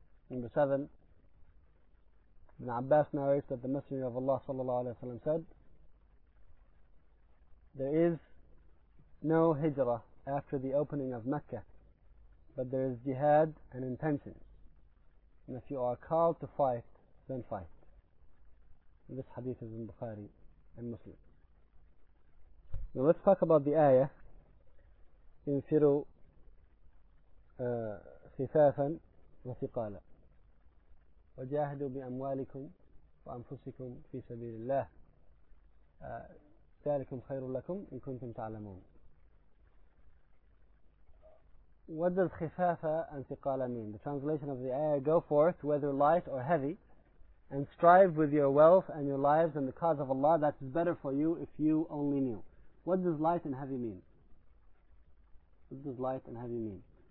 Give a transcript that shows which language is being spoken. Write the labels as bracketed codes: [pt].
[en] Number 7, Ibn Abbas narrates that the Messenger of Allah sallallahu alayhi wa sallam said, there is no hijrah after the opening of Mecca, but there is jihad and intention. And if you are called to fight, then fight. And this hadith is in Bukhari and Muslim. Now let's talk about the ayah [ar] انفروا خفافا وثقالا وجاهدوا بأموالكم وأنفسكم في سبيل الله ذلكم خير لكم إن كنتم تعلمون. [en] What does خفافة and ثقالة mean? The translation of the ayah, go forth whether light or heavy and strive with your wealth and your lives and the cause of Allah, that is better for you if you only knew. What does light and heavy mean? What does light and heavy mean?